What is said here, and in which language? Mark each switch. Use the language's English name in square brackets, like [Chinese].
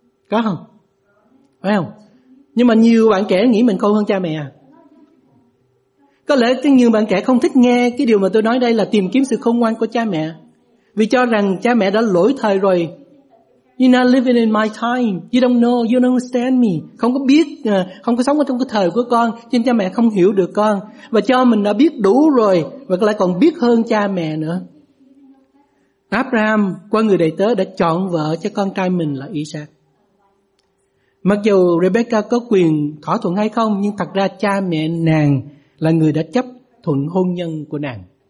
[Vietnamese] Có không? Phải không? Nhưng mà nhiều bạn trẻ nghĩ mình khôn hơn cha mẹ à? Có lẽ nhiều bạn trẻ không thích nghe cái điều mà tôi nói đây là tìm kiếm sự khôn ngoan của cha mẹ, vì cho rằng cha mẹ đã lỗi thời rồi. [English] You're not living in my time. You don't know, you don't understand me. [Vietnamese] Không có biết, không có sống ở trong cái thời của con, cho nên cha mẹ không hiểu được con. Và cho mình đã biết đủ rồi, và lại còn biết hơn cha mẹ nữa. Abraham qua người đầy tớ đã chọn vợ cho con trai mình là Isaac. Mặc dù Rebecca có quyền thỏa thuận hay không, nhưng thật ra cha mẹ nàng là người đã chấp thuận hôn nhân của nàng.